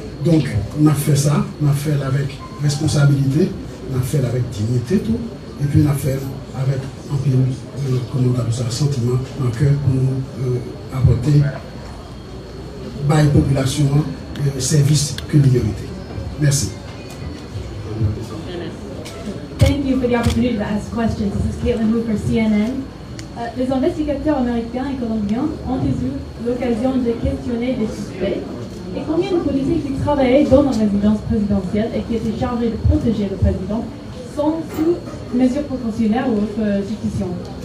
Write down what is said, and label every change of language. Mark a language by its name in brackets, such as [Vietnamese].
[French] Donc, on a fait ça, on a fait avec responsabilité, on a fait avec dignité tout, et puis on a fait avec un pile, comme on a besoin, sentiment dans le cœur pour nous apporter par la population service que l'humanité. Merci. [English] Thank you for the opportunity to ask questions. This is Caitlin Wu for CNN. [French] Les investigateurs américains et colombiens ont eu l'occasion de questionner des suspects et combien de policiers qui travaillaient dans la résidence présidentielle et qui étaient chargés de protéger le président sont sous mesures précautionnaires ou autres suspicions.